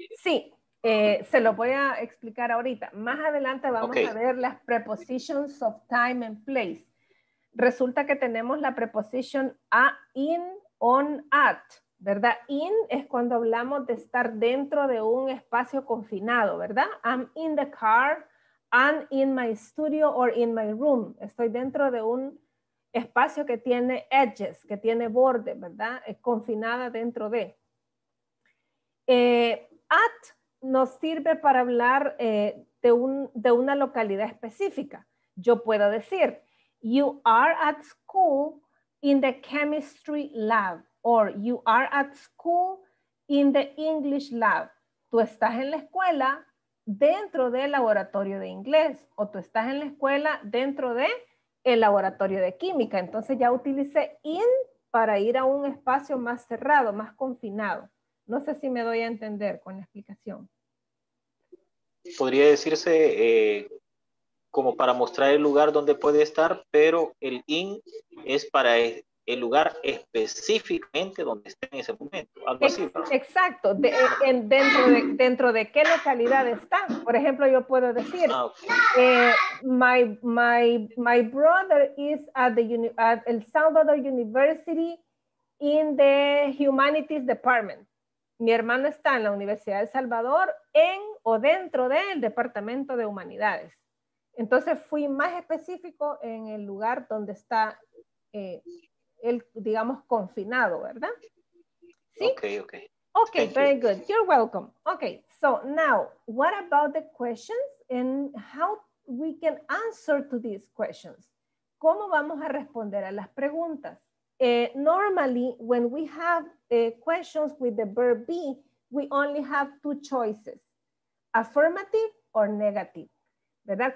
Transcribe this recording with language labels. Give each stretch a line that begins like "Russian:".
Spanish: Sí, Se lo voy a explicar ahorita. Más adelante vamos a ver las prepositions of time and place. Resulta que tenemos la preposición a, in, on, at, ¿verdad? In es cuando hablamos de estar dentro de un espacio confinado, ¿verdad?
English: I'm in the car, I'm in my studio or in my room.
Spanish: Estoy dentro de un espacio que tiene edges, que tiene bordes, ¿verdad? Es confinada dentro de. At nos sirve para hablar de una localidad específica. Yo puedo decir,
English: you are at school in the chemistry lab, or you are at school in the English lab.
Spanish: Tú estás en la escuela dentro del laboratorio de inglés, o tú estás en la escuela dentro del laboratorio de química. Entonces ya utilicé in para ir a un espacio más cerrado, más confinado. No sé si me doy a entender con la explicación. Podría decirse como para mostrar el lugar donde puede estar, pero el in es para el lugar específicamente donde esté en ese momento. Algo así, ¿no? Exacto. Dentro de qué localidad está. Por ejemplo, yo puedo decir,
English: my brother is at El Salvador University in the Humanities Department.
Spanish: Mi hermano está en la Universidad de El Salvador en o dentro del Departamento de Humanidades. Entonces fui más específico en el lugar donde está él, digamos, confinado, ¿verdad? ¿Sí? Okay.
English: Okay, very good. You're welcome. Okay, so now, what about the questions and how we can answer to these questions?
Spanish: ¿Cómo vamos a responder a las preguntas?
English: Normally, when we have questions with the verb be, we only have two choices, affirmative or negative, ¿verdad?